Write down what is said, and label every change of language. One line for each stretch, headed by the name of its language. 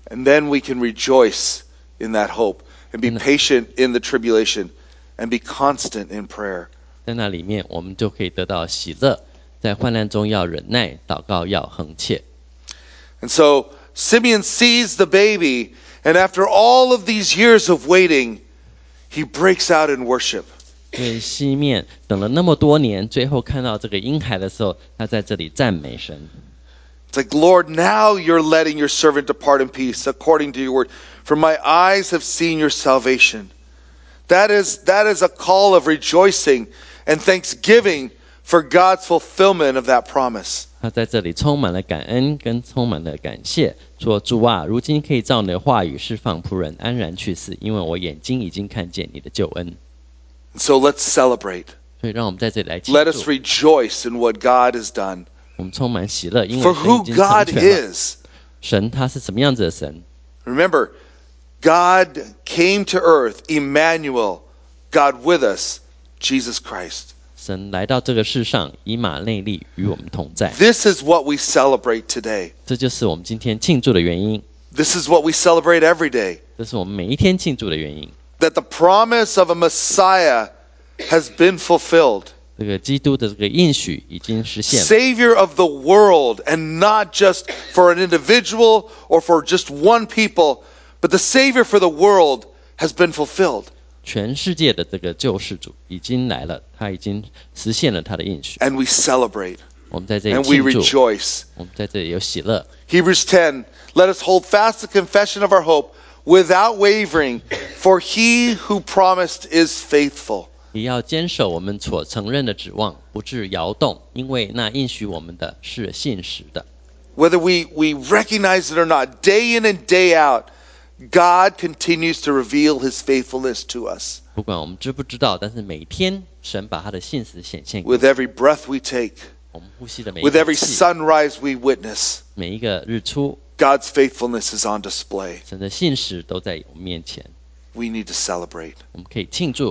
English: And then we can rejoice in that hope and be patient in the tribulation and be constant in prayer.
Chinese: 在那里面，我们就可以得到喜乐，在患难中要忍耐，祷告要恒切。
English: And so Simeon sees the baby, and after all of these years of waiting, he breaks out in worship.
Chinese: 所以西面等了那么多年，最后看到这个婴孩的时候，他在这里赞美神。
English: It's like, Lord, now you're letting your servant depart in peace, according to your word. For my eyes have seen your salvation. That is a call of rejoicing and thanksgiving for God's fulfillment of that promise.
Chinese: 他在这里充满了感恩跟充满了感谢，说主啊，如今可以照你的话语释放仆人安然去世，因为我眼睛已经看见你的救恩。
English: So let's celebrate.
Chinese: 所以让我们在这里来庆祝。
English: Let us rejoice in what God has done.
Chinese: 我们充满喜乐，因为神已经成全了。
English: For who God
Chinese: is. 神他是什么样子的神？
English: Remember, God came to earth, Emmanuel, God with us, Jesus Christ.
Chinese: 神来到这个世上，以马内利与我们同在。
English: This is what we celebrate today.
Chinese: 这就是我们今天庆祝的原因。
English: This is what we celebrate every day.
Chinese: 这是我们每一天庆祝的原因。
English: That the promise of a Messiah has been fulfilled.
Chinese: 这个基督的这个应许已经实现了。
English: Savior of the world, and not just for an individual or for just one people, but the Savior for the world has been fulfilled.
Chinese: 全世界的这个救世主已经来了，他已经实现了他的应许。
English: And we celebrate.
Chinese: 我们在这里庆祝。
English: And we rejoice.
Chinese: 我们在这里有喜乐。
English: Hebrews 10, let us hold fast the confession of our hope without wavering, for he who promised is faithful.
Chinese: 也要坚守我们所承认的指望，不致摇动，因为那应许我们的是信实的。
English: Whether we recognize it or not, day in and day out, God continues to reveal his faithfulness to us.
Chinese: 不管我们知不知道，但是每天神把他的信实显现给我
English: 们。With every breath we take,
Chinese: 我们呼吸的每一气。
English: With every sunrise we witness,
Chinese: 每一个日出。
English: God's faithfulness is on display.
Chinese: 神的信实都在我们面前。
English: We need to celebrate.
Chinese: 我们可以庆祝。